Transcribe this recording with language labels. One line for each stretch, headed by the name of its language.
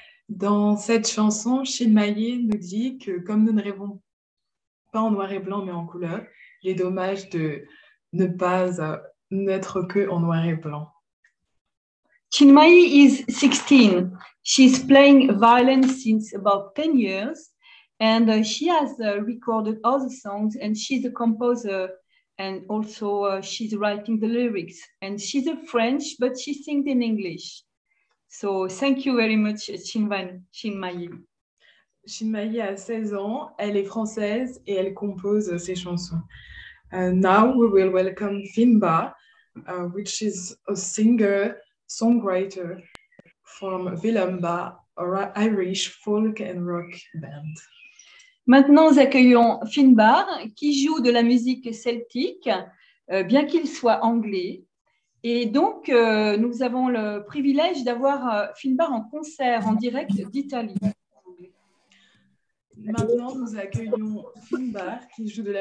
French: Dans cette chanson, Chinmayi nous dit que comme nous ne rêvons pas en noir et blanc mais en couleur, il est dommage de ne pas n'être que en noir et blanc.
English: Chinmayi is 16. She's playing violin since about 10 years and she has recorded all the songs and she's a composer and also she's writing the lyrics and she's a French but she sings in English. So thank you very much, Chinmayi.
French: Chinmayi a 16 ans, elle est française et elle compose ses chansons.
English: Now we will welcome Finbar, which is a singer, songwriter from Villamba, Irish folk and rock band.
French: Maintenant, nous accueillons Finbar, qui joue de la musique celtique, bien qu'il soit anglais. Et donc, nous avons le privilège d'avoir Finbar en concert, en direct d'Italie. Maintenant, nous accueillons Finbar, qui joue de la